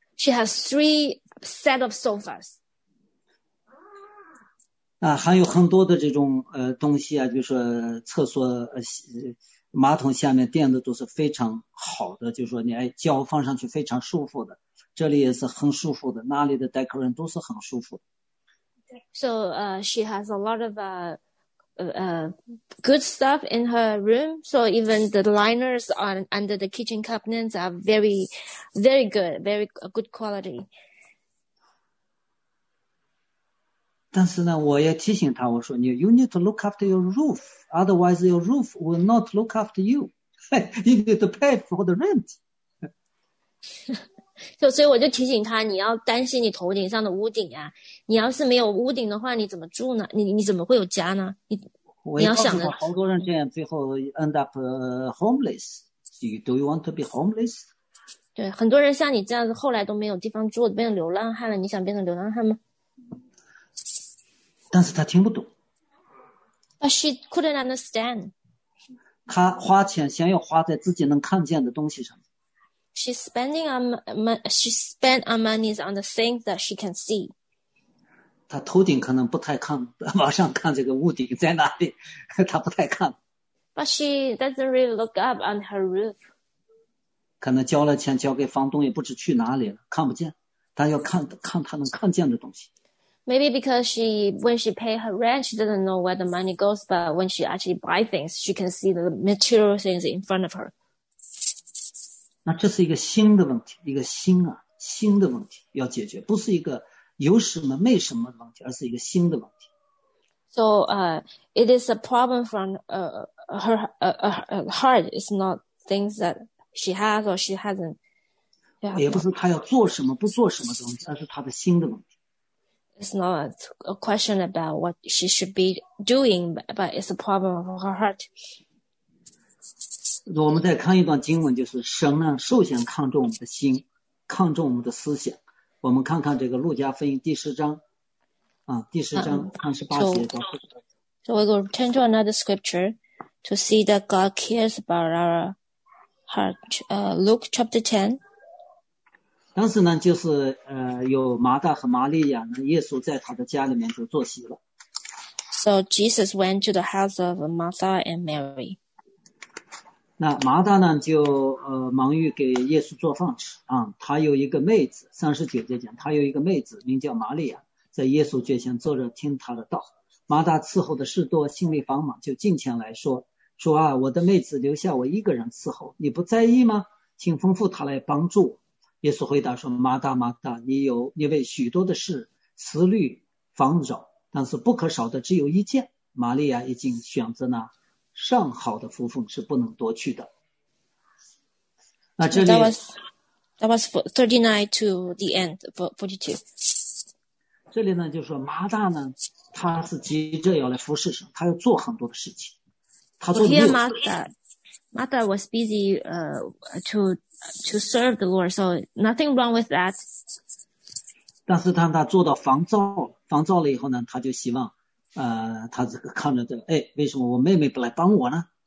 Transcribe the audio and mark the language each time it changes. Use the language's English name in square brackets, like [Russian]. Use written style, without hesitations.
[English] She has three set of sofas. [Chinese] 啊，还有很多的这种东西啊，就是厕所马桶下面垫的都是非常好的，就是说你哎脚放上去非常舒服的，这里也是很舒服的，那里的 decoration 都是很舒服的。 [English] So she has a lot of good stuff in her room. So even the liners on under the kitchen cabinets are very, very good, very good quality. [Chinese] 但是呢，我也提醒他，我说 [English] you need to look after your roof, otherwise your roof will not look after you. You need to pay for the rent. [Chinese] 就所以我就提醒他，你要担心你头顶上的屋顶啊。你要是没有屋顶的话，你怎么住呢？你怎么会有家呢？你要想的。我告诉过好多人这样，最后 [English] end up homeless. Do you want to be homeless? [Chinese] 对，很多人像你这样子，后来都没有地方住，变成流浪汉了。你想变成流浪汉吗？但是他听不懂。 [English] But she couldn't understand. [Chinese] 他花钱先要花在自己能看见的东西上。 [English] She spent her money on the things that she can see. [Chinese] 他头顶可能不太看，往上看这个屋顶在哪里，他不太看。 [English] But she doesn't really look up on her roof. [Chinese] 可能交了钱交给房东也不知去哪里了，看不见。他要看他能看见的东西。 [English] Maybe because when she pay her rent, she doesn't know where the money goes, but when she actually buy things, she can see the material things in front of her. [Chinese] 那这是一个新的问题，一个新啊，新的问题要解决，不是一个有什么没什么的问题，而是一个新的问题。 [English] So, it is a problem from her heart. It's not things that she has or she hasn't. Yeah. [Chinese] 也不是她要做什么不做什么东西，而是她的新的问题。 [English] It's not a question about what she should be doing, but it's a problem of her heart. [Chinese] 我们再看一段经文，就是神呢，首先看重我们的心，看重我们的思想。我们看看这个路加福音第十章，啊，第十章38节到 40节。 [English] So we go turn to another scripture to see that God cares about our heart. Luke chapter 10. [Chinese] 当时呢，就是有马大和玛利亚呢，耶稣在他的家里面就坐席了。 [English] So Jesus went to the house of Martha and Mary. [Chinese] 那马大呢，就忙于给耶稣做饭吃啊。他有一个妹子，39节讲，他有一个妹子名叫玛利亚，在耶稣脚前坐着听他的道。马大伺候的事多，心里繁忙，就近前来说：“主啊，我的妹子留下我一个人伺候，你不在意吗？请吩咐她来帮助我。” 耶稣回答说：“马大，马大，你为许多的事思虑烦扰，但是不可少的只有一件。玛利亚已经选择那上好的福分，是不能夺去的。” 那这里 [English] that was 39 to the end 42。 [Chinese] 这里呢，就是说马大呢，他是急着要来服侍神，他要做很多的事情，他做六。 [English] Martha was busy to serve the Lord, so nothing wrong with that. [Chinese] 但是当他做到烦躁了以后呢，他就希望，他这个看着这个，哎，为什么我妹妹不来帮我呢？